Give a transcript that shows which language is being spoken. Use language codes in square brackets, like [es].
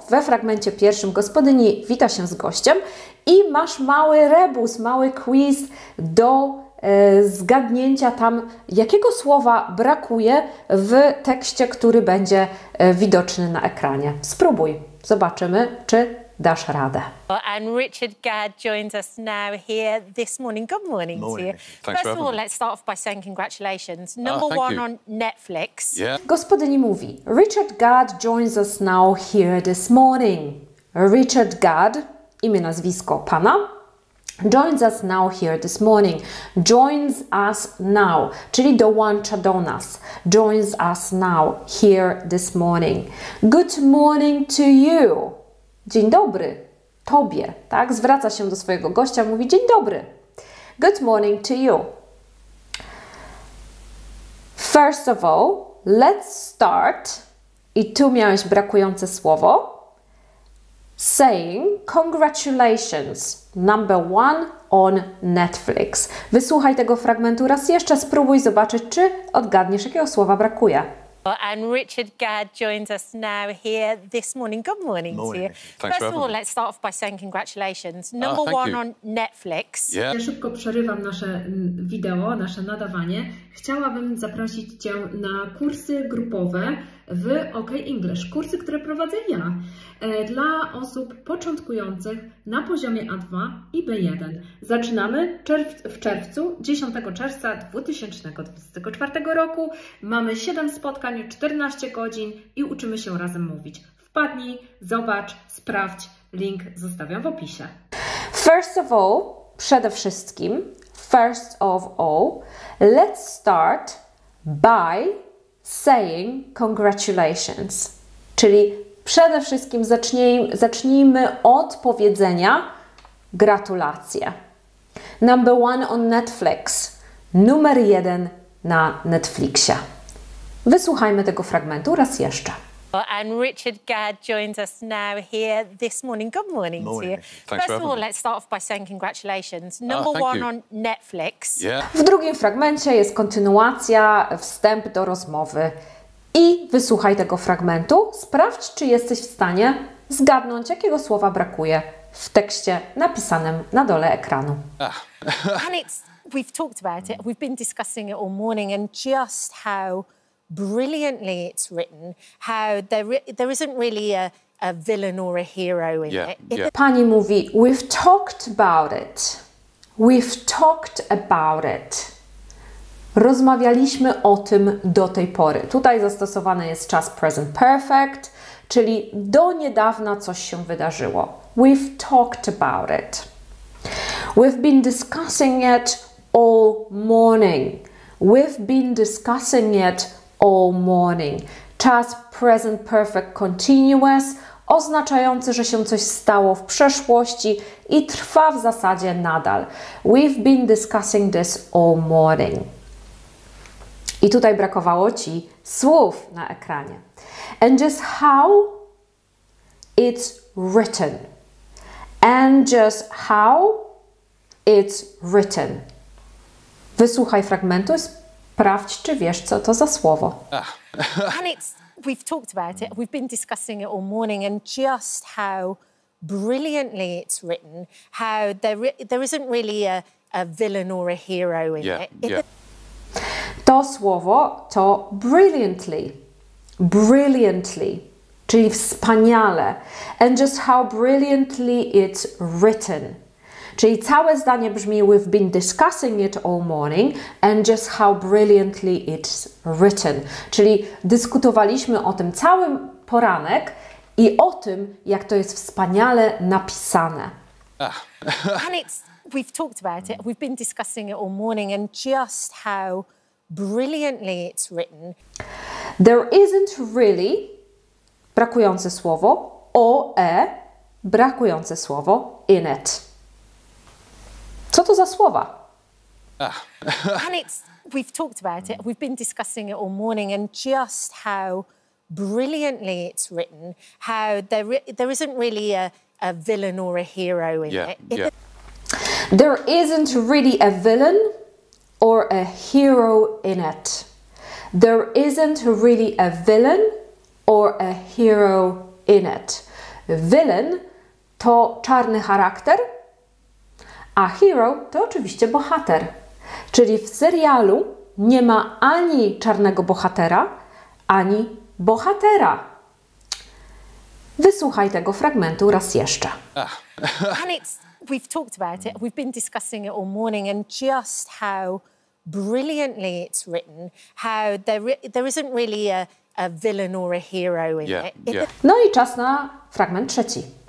[pl] We fragmencie pierwszym gospodyni wita się z gościem i masz mały rebus, mały quiz do zgadnięcia tam, jakiego słowa brakuje w tekście, który będzie widoczny na ekranie. Spróbuj, zobaczymy, czy dasz radę. [en] And Richard Gadd joins us now here this morning. Good morning, morning. To you. Thanks for of all, me. Let's start off by saying congratulations. Number one you. On Netflix. Yeah. [pl] Gospodyni mówi, [en] Richard Gadd joins us now here this morning. Richard Gadd, [pl] imię nazwisko pana, [en] joins us now here this morning. Joins us now, [pl] czyli dołącza do nas. [en] Joins us now here this morning. Good morning to you. [pl] Dzień dobry tobie, tak? Zwraca się do swojego gościa, mówi dzień dobry. [en] Good morning to you. First of all, let's start. [pl] I tu miałeś brakujące słowo. [en] Saying congratulations, number one on Netflix. [pl] Wysłuchaj tego fragmentu raz jeszcze, spróbuj zobaczyć, czy odgadniesz, jakiego słowa brakuje. [en] And Richard Gadd joins us now here this morning. Good morning, morning. To you. Thanks First of all, me. Let's start off by saying congratulations. Number one you. On Netflix. Yeah. [pl] Ja szybko przerywam nasze wideo, nasze nadawanie. Chciałabym zaprosić Cię na kursy grupowe w OK English. Kursy, które prowadzę ja. Dla osób początkujących na poziomie A2 i B1. Zaczynamy w czerwcu, 10 czerwca 2024 roku. Mamy 7 spotkań, 14 godzin i uczymy się razem mówić. Wpadnij, zobacz, sprawdź. Link zostawiam w opisie. [en] First of all, [pl] przede wszystkim, [en] first of all, let's start by saying congratulations, [pl] czyli przede wszystkim zacznijmy od powiedzenia gratulacje. [en] Number one on Netflix. [pl] Numer jeden na Netflixie. Wysłuchajmy tego fragmentu raz jeszcze. [en] And Richard Gadd joins us now here this morning. Good morning, morning. To you. Thanks First of all, me. Let's start off by saying congratulations. Number one you. On Netflix. Yeah. [pl] W drugim fragmencie jest kontynuacja, wstęp do rozmowy. I wysłuchaj tego fragmentu. Sprawdź, czy jesteś w stanie zgadnąć, jakiego słowa brakuje w tekście napisanym na dole ekranu. [en] And it's, we've talked about it. We've been discussing it all morning and just how brilliantly it's written, how there isn't really a villain or a hero in yeah, it. Yeah. [pl] Pani mówi, [en] we've talked about it. We've talked about it. [pl] Rozmawialiśmy o tym do tej pory. Tutaj zastosowany jest czas present perfect, czyli do niedawna coś się wydarzyło. [en] We've talked about it. We've been discussing it all morning. We've been discussing it all morning. [pl] Czas present perfect continuous, oznaczający, że się coś stało w przeszłości i trwa w zasadzie nadal. [en] We've been discussing this all morning. [pl] I tutaj brakowało Ci słów na ekranie. [en] And just how it's written. and just how it's written. [pl] Wysłuchaj fragmentu, sprawdź, czy wiesz, co to za słowo. [en] And it's, we've talked about it, we've been discussing it all morning, and just how brilliantly it's written, how there isn't really a villain or a hero in yeah, it. [pl] To słowo to [en] brilliantly, brilliantly, [pl] czyli wspaniale. [en] And just how brilliantly it's written. [pl] Czyli całe zdanie brzmi, [en] we've been discussing it all morning, and just how brilliantly it's written. [pl] Czyli dyskutowaliśmy o tym cały poranek i o tym, jak to jest wspaniale napisane. [en] And it's, we've talked about it, we've been discussing it all morning, and just how brilliantly it's written. There isn't really, [pl] brakujące słowo, [en] o-e, brakujące słowo, in it. [pl] Co to za słowa? [en] And it's, we've talked about it, we've been discussing it all morning, and just how brilliantly it's written, how there isn't really a villain or a hero in yeah, it. Yeah. There isn't really a villain or a hero in it. There isn't really a villain or a hero in it. [pl] Villain to czarny charakter, a hero to oczywiście bohater. Czyli w serialu nie ma ani czarnego bohatera, ani bohatera. Wysłuchaj tego fragmentu raz jeszcze. [en] And it's, we've talked about it, we've been discussing it all morning, and just how brilliantly it's written, how there isn't really a villain or a hero in yeah, it. Yeah. [pl] No i czas na fragment trzeci.